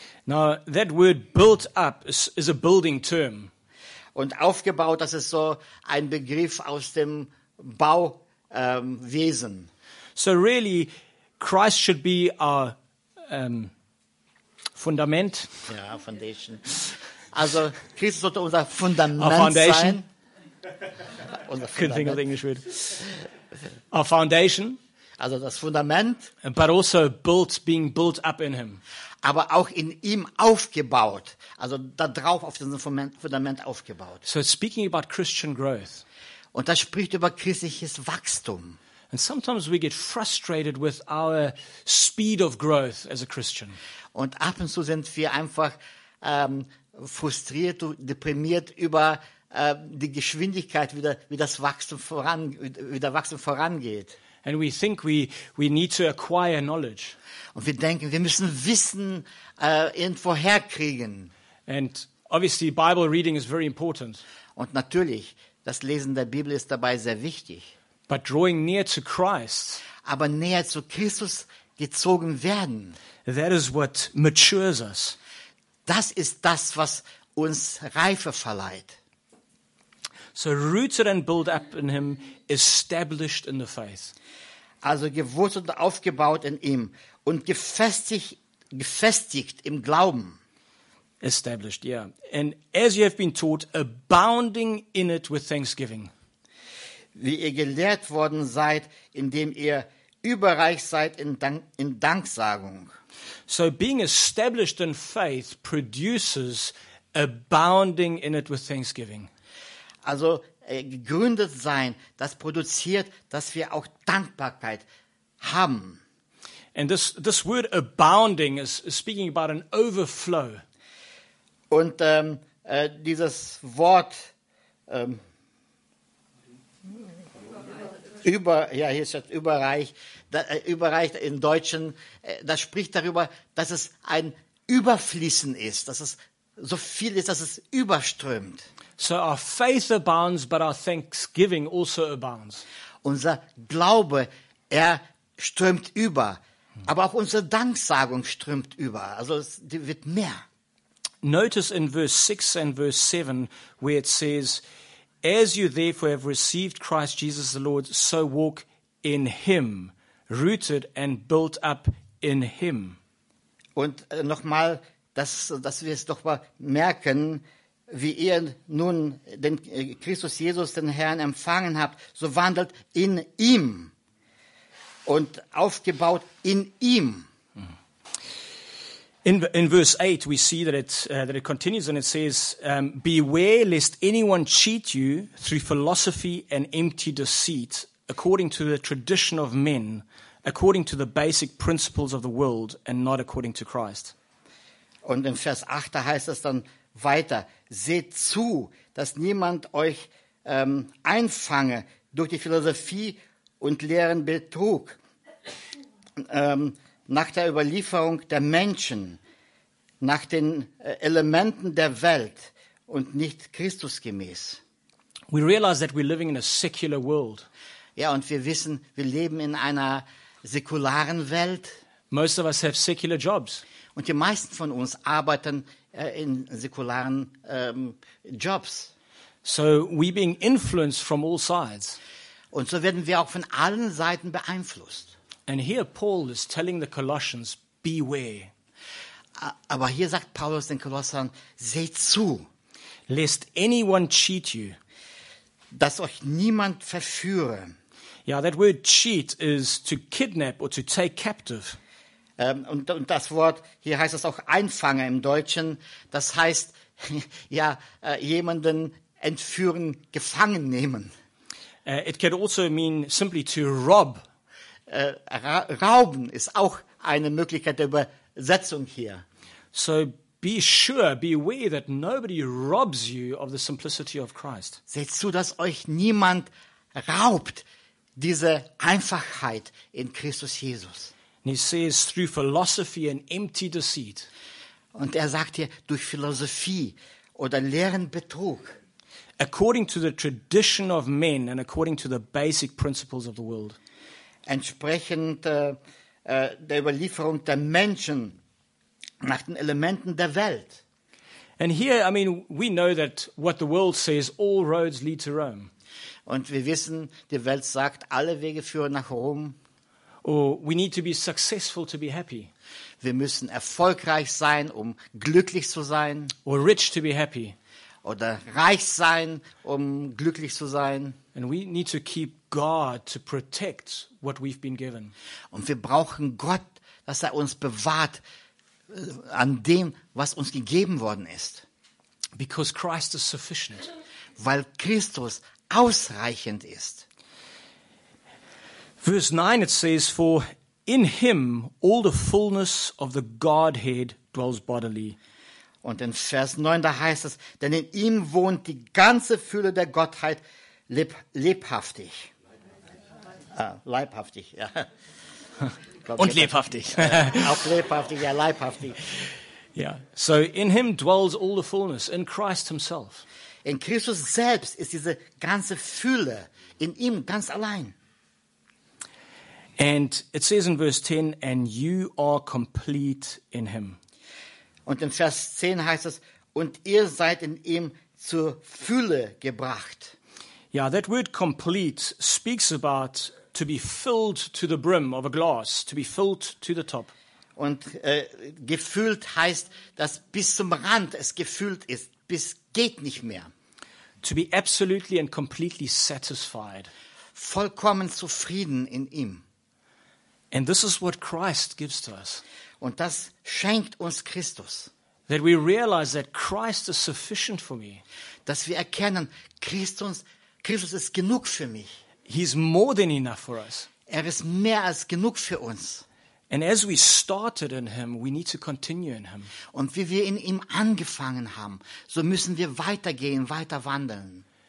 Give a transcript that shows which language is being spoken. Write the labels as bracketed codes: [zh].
[en] Now that word built up is a building term. [de] Und aufgebaut, das ist so ein Begriff aus dem Bauwesen. [en] So really, Christ should be our Fundament. [de] Ja, Foundation. Also, Christus sollte unser Fundament sein. Foundation. Unser Fundament. [en] Couldn't think of English word. Our Foundation. [de] Also das Fundament. [en] But also built, being built up in him. [de] Aber auch in ihm aufgebaut. Also da drauf auf diesem Fundament aufgebaut. [en] So speaking about Christian growth. [de] Und das spricht über christliches Wachstum. [en] And sometimes we get frustrated with our speed of growth as a Christian. [de] Und ab und zu sind wir einfach frustriert, deprimiert über die Geschwindigkeit, wie das Wachstum vorangeht. [en] And we think we need to acquire knowledge. [de] Und wir denken, wir müssen Wissen irgendwo herkriegen. [en] And obviously Bible reading is very important. [de] Und natürlich, das Lesen der Bibel ist dabei sehr wichtig. [en] But drawing near to Christ, [de] aber näher zu Christus gezogen werden, [en] that is what matures us. [de] Das ist das, was uns Reife verleiht. [en] So rooted and built up in him, established in the faith. [de] Also gewurzelt und aufgebaut in ihm und gefestigt im Glauben. [en] Established, yeah. And as you have been taught, abounding in it with thanksgiving. [de] Wie ihr gelehrt worden seid, indem ihr überreich seid in Danksagung. [en] So being established in faith produces abounding in it with thanksgiving. [de] Also gegründet sein, das produziert, dass wir auch Dankbarkeit haben. [en] And this word abounding is speaking about an overflow. [de] Und dieses Wort überreicht im Deutschen, das spricht darüber, dass es ein Überfließen ist, dass es so viel ist, dass es überströmt. [en] So our faith abounds, but our thanksgiving also abounds. [de] Unser Glaube, er strömt über, aber auch unsere Danksagung strömt über, also es wird mehr. [en] Notice in verse 6 and verse 7, where it says, as you therefore have received Christ Jesus the Lord, so walk in him, rooted and built up in him. [de] Und nochmal, dass wir es doch mal merken, wie ihr nun den Christus Jesus, den Herrn, empfangen habt, so wandelt in ihm und aufgebaut in ihm. [en] In verse 8 we see that it continues and it says, beware lest anyone cheat you through philosophy and empty deceit, according to the tradition of men, according to the basic principles of the world, and not according to Christ. [de] Und in Vers 8 da heißt es dann weiter, seht zu, dass niemand euch einfange durch die Philosophie und Lehren Betrug. Nach der Überlieferung der Menschen, nach den Elementen der Welt und nicht Christusgemäß. [en] We realize that we're living in a secular world. [de] Ja, und wir wissen, wir leben in einer säkularen Welt. [en] Most of us have secular jobs. [de] Und die meisten von uns arbeiten in säkularen Jobs. [en] So we're being influenced from all sides. [de] Und so werden wir auch von allen Seiten beeinflusst. [en] And here Paul is telling the Colossians, beware. [de] Aber hier sagt Paulus den Kolossern, seht zu. [en] Lest anyone cheat you. [de] Dass euch niemand verführe. [en] Yeah, that word cheat is to kidnap or to take captive. [de] Und das Wort, hier heißt es auch einfangen im Deutschen. Das heißt, ja, jemanden entführen, gefangen nehmen. [en] It can also mean simply to rob. [de] Rauben ist auch eine Möglichkeit der Übersetzung hier. [en] So be sure, beware that nobody robs you of the simplicity of Christ. [de] Seht zu, dass euch niemand raubt diese Einfachheit in Christus Jesus. [en] And he says through philosophy and empty deceit. [de] Und er sagt hier durch Philosophie oder leeren Betrug. [en] According to the tradition of men and according to the basic principles of the world. [de] Entsprechend der Überlieferung der Menschen nach den Elementen der Welt. [en] And here, I mean, we know that what the world says, all roads lead to Rome. [de] Und wir wissen, die Welt sagt, alle Wege führen nach Rom. [en] Oh, we need to be successful to be happy. [de] Wir müssen erfolgreich sein, um glücklich zu sein. [en] Or rich to be happy. [de] Oder reich sein, um glücklich zu sein. [en] And we need to keep God to protect what we've been given. [de] Und wir brauchen Gott, dass er uns bewahrt an dem, was uns gegeben worden ist. [en] Because Christ is sufficient. [de] Weil Christus ausreichend ist. [en] Verse 9, it says, for in him all the fullness of the Godhead dwells bodily. [de] Und in Vers 9, da heißt es, denn in ihm wohnt die ganze Fülle der Gottheit lebhaftig. Leibhaftig, ja. Und lebhaftig. Auch lebhaftig, ja, leibhaftig. [en] Yeah. So in him dwells all the fullness, in Christ himself. [de] In Christus selbst ist diese ganze Fülle, in ihm ganz allein. [en] And it says in verse 10, and you are complete in him. [de] Und in Vers 10 heißt es, und ihr seid in ihm zur Fülle gebracht. [en] Yeah, that word complete speaks about to be filled to the brim of a glass, to be filled to the top. [de] Und gefüllt heißt, dass bis zum Rand es gefüllt ist, bis geht nicht mehr. [en] To be absolutely and completely satisfied. [de] Vollkommen zufrieden in ihm. [en] And this is what Christ gives to us. [de] Und das schenkt uns Christus. [en] That we realize that Christ is sufficient for me. [de] Dass wir erkennen, Christus ist genug für mich. [en] He's more than enough for us. [de] Er ist mehr als genug für uns. [en] And as we started in him, we need to continue in him. [de] Und wie wir in ihm angefangen haben, so müssen wir weitergehen, weiter wandeln.